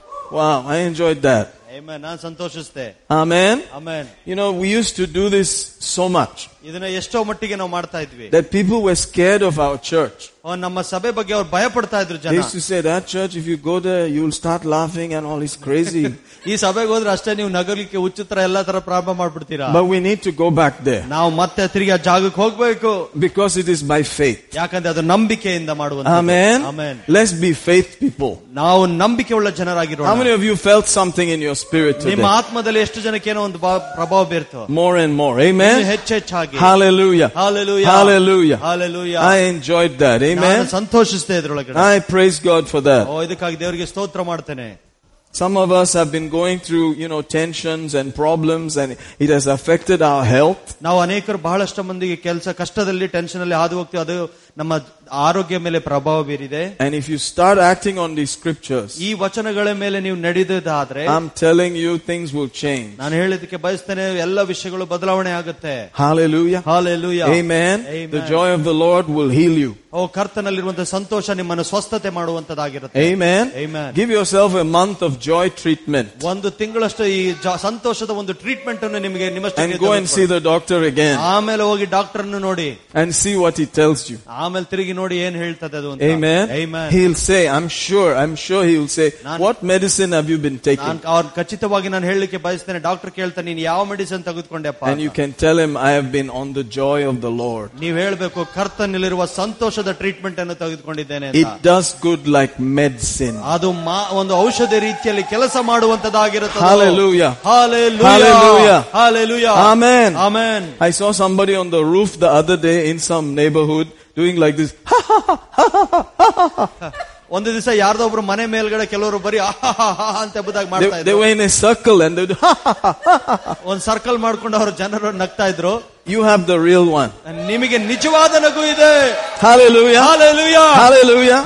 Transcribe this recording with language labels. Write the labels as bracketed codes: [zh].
[en] Wow, I enjoyed that. [kn] Amen. ನಾನು ಸಂತೋಷಿಸ್ತೆ. [en] Amen. Amen. You know, we used to do this so much. [kn] ಇದನ್ನ ಎಷ್ಟೋ ಮಟ್ಟಿಗೆ ನಾವು ಮಾಡ್ತಾ ಇದ್ವಿ. [en] That people were scared of our church. [kn] ನಮ್ಮ ಸಭೆ ಬಗ್ಗೆ ಅವ್ರು ಭಯ ಪಡ್ತಾ ಇದ್ರು. [en] They used to say that church, if you go there, you'll start laughing and all is crazy. [kn] ಈ ಸಭೆಗೆ ಹೋದ್ರೆ ಅಷ್ಟೇ ನೀವು ನಗರಕ್ಕೆ ಉಚ್ಚತರ ಎಲ್ಲ ತರ ಪ್ರಾರಂಭ ಮಾಡ್ಬಿಡ್ತೀರಾ. [en] But we need to go back there. [kn] ನಾವು ಮತ್ತೆ ತಿರುಗಿ ಆ ಜಾಗಕ್ಕೆ ಹೋಗ್ಬೇಕು. [en] Because it is by faith. [kn] ಯಾಕಂದ್ರೆ ಅದು ನಂಬಿಕೆಯಿಂದ ಮಾಡುವಂತ. [en] Amen. Amen. Let's be faith people. [kn] ನಾವು ನಂಬಿಕೆ ಉಳ್ಳ ಜನರಾಗಿರೋಣ. [en] How many of you felt something in your spirit today? [kn] ನಿಮ್ಮ ಆತ್ಮದಲ್ಲಿ ಎಷ್ಟು ಜನಕ್ಕೆ ಏನೋ ಒಂದು ಪ್ರಭಾವ ಬೀರ್ತು. [en] More and more. Amen. [kn] ಹೆಚ್ಚಾಗಿ. [en] Hallelujah. Hallelujah. Hallelujah. Hallelujah. I enjoyed that. Amen. [kn] ನಾನು ಸಂತೋಷಿಸ್ತೆ ಇದರೊಳಗೆ. [en] I praise God for that. [kn] ಓ ಇದಕ್ಕಾಗಿ ದೇವರಿಗೆ ಸ್ತೋತ್ರ ಮಾಡ್ತೇನೆ. [en] Some of us have been going through, you know, tensions and problems, and it has affected our health. [kn] ನಾವು ಅನೇಕರು ಬಹಳಷ್ಟು ಮಂದಿಗೆ ಕೆಲಸ ಕಷ್ಟದಲ್ಲಿ ಟೆನ್ಷನ್ ಅಲ್ಲಿ ಹಾದು ಹೋಗ್ತೀವಿ, ಅದು ನಮ್ಮ ಆರೋಗ್ಯ ಮೇಲೆ ಪ್ರಭಾವ ಬೀರಿದೆ. [en] and if you start acting on the scriptures, [kn] ಈ ವಚನಗಳ ಮೇಲೆ ನೀವು ನಡೆದಾದ್ರೆ, [en] I am telling you things will change. [kn] ನಾನು ಹೇಳಿದಕ್ಕೆ ಬಯಸ್ತೇನೆ, ಎಲ್ಲ ವಿಷಯಗಳು ಬದಲಾವಣೆ ಆಗುತ್ತೆ. [en] Hallelujah. Hallelujah. Amen. The joy of the Lord will heal you. [kn] ಓ, ಕರ್ತನಲ್ಲಿರುವಂತಹ ಸಂತೋಷ ನಿಮ್ಮನ್ನು ಸ್ವಸ್ಥತೆ ಮಾಡುವಂತದಾಗಿರುತ್ತೆ. [en] Amen. Amen. Give yourself a month of joy treatment. [kn] ಒಂದು ತಿಂಗಳಷ್ಟು ಈ ಸಂತೋಷದ ಒಂದು ಟ್ರೀಟ್ಮೆಂಟ್ ಅನ್ನು ನಿಮಗೆ ನಿಮ್ಮಷ್ಟೇ. [en] And go and see the doctor again. [kn] ಆಮೇಲೆ ಹೋಗಿ ಡಾಕ್ಟರ್ ಅನ್ನು ನೋಡಿ. [en] And see what he tells you. [kn] ಆಮೇಲೆ ತಿರುಗಿ ನೋಡಿ ಏನ್ ಹೇಳ್ತದೆ ಅದು. [en] Amen. Amen. He'll say, I'm sure he will say, what medicine have you been taking? [kn] ನಾನು ಖಚಿತವಾಗಿ ನಾನು ಹೇಳಲಿಕ್ಕೆ ಬಯಸ್ತೇನೆ, ಡಾಕ್ಟರ್ ಕೇಳ್ತಾನೆ, ನೀನು ಯಾವ medicine ತೆಗೆದುಕೊಂಡೆಪ್ಪ. [en] And you can tell him, I have been on the joy of the Lord. [kn] ನೀವು ಹೇಳಬೇಕು, ಕರ್ತನಲ್ಲಿರುವ ಸಂತೋಷದ ಟ್ರೀಟ್ಮೆಂಟ್ ಅನ್ನು ತೆಗೆದುಕೊಂಡಿದ್ದೇನೆ. [en] It does good like medicine. [kn] ಅದು ಒಂದು ಔಷಧ ರೀತಿಯಲ್ಲಿ ಕೆಲಸ ಮಾಡುವಂತದಾಗಿರುತ್ತದೆ. [en] Hallelujah. Hallelujah. Hallelujah. Hallelujah. Amen. Amen. I saw somebody on the roof the other day in some neighborhood doing like this. [kn] ಒಂದು ದಿವಸ ಯಾರ್ದೋ ಒಬ್ರು ಮನೆ ಮೇಲ್ಗಡೆ ಕೆಲವರು ಬರೀ ಅಂತ ಎಂಬುದಾಗಿ ಮಾಡ್ತಾ ಇದ್ರು. ಸರ್ಕಲ್ ಅಂತ ಒಂದು ಸರ್ಕಲ್ ಮಾಡ್ಕೊಂಡು ಅವರು ಜನರು ನಗ್ತಾ ಇದ್ರು. [en] You have the real one. [kn] ನಿಮಗೆ ನಿಜವಾದ ನಗು ಇದೆ. [en] Hallelujah. Hallelujah. Hallelujah.